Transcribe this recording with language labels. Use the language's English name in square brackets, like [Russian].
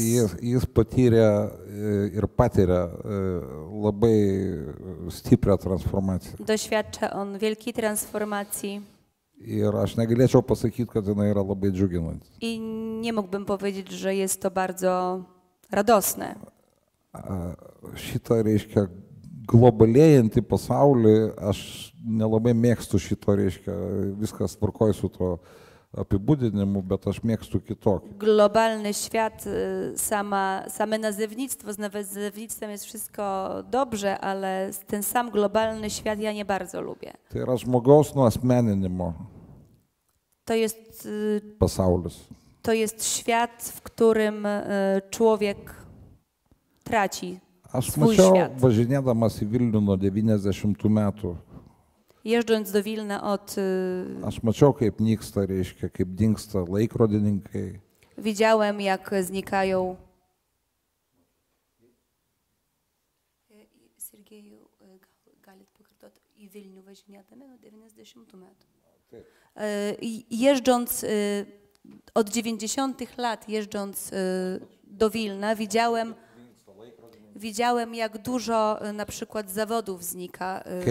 [Lithuanian] Jis patyrė ir patyrė labai stiprią transformaciją. [Polish] Doświadcza on wielkiej transformacji. [Lithuanian] Ir aš negalėčiau pasakyti, kad jinai yra labai džiuginanti. [Polish] I nie mógłbym powiedzieć, że jest to bardzo radosne. [Lithuanian] Šita reiškia globalėjantį pasaulį, aš nelabai mėgstu šito, reiškia, viskas tvarkoja su to apibūdinimu, bet aš mėgstu kitokį. [Polish] Globalny świat, same nazewnictwo, z nazewnictwem jest wszystko dobrze, ale ten sam globalny świat ja nie bardzo lubię. [Lithuanian] Tai yra žmogaus nuasmeninimo. [Polish] To jest [Lithuanian] pasaulis. [Polish] To jest świat, w którym człowiek traci. [Lithuanian] Aš mačiau, važinėdamas į Vilnių nuo 90-tų metų. [Polish] Jeżdżąc do Vilna od... [Lithuanian] Aš mačiau, kaip nyksta, reiškia, kaip dingsta laikrodininkai. [Polish] Widziałem, jak znikają... [Lithuanian] Sergeju, galit pokartot, į Vilnių važinėdami nuo 90-tų metų. [Polish] Jeżdżąc od 90-tych lat, jeżdżąc do Vilna, widziałem... Widziałem, jak dużo na przykład zawodów znika,